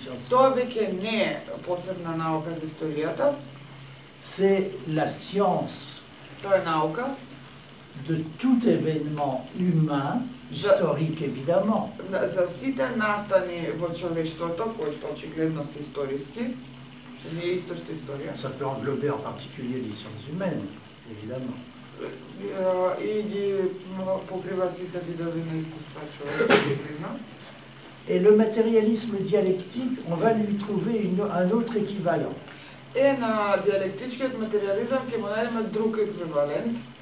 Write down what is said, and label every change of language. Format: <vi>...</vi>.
<mk>Тоа веќе не е посебна наука за историјата.</mk> <fr>C'est la science.</fr> <mk>Тоа е наука.</mk> <fr>De tout événement humain, historique évidemment.</fr> <mk>За сите настани во човештвото кои што очигледно се историски, не е исто што историја.</mk> <fr>Ça peut englober en particulier les sciences humaines, évidemment.</fr> <mk>И ги покрива сите видови на искусства човештвото.</mk> <fr>Et le matérialisme dialectique, on va lui trouver un autre équivalent. Et</fr> <mk>на диалектичкиот материализам ќе му најдеме друг еквивалент.</mk>